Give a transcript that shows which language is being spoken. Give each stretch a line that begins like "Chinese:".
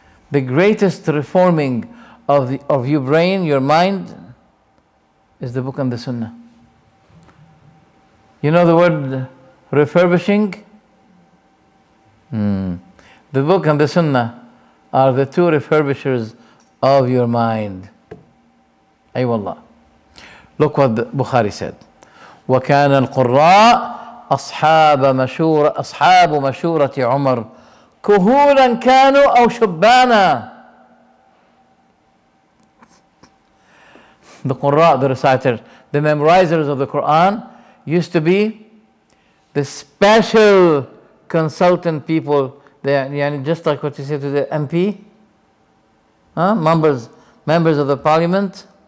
English: The greatest reforming of your brain, your mind, is the book and the sunnah. You know the word refurbishing? The book and the sunnah are the two refurbishers of your mind. Ay wallah. Look what Bukhari said.
Arabic: وَكَانَ الْقُرَّاءُ أَصْحَابُ مَشُورَةِ عُمَرُ كُهُولًا كَانُوا أَوْ شُبَّانًا.
English: The Qurra', the reciter, the memorizers of the Quran, used to be the special consultant people. They just like what you say to the MP, members of the parliament.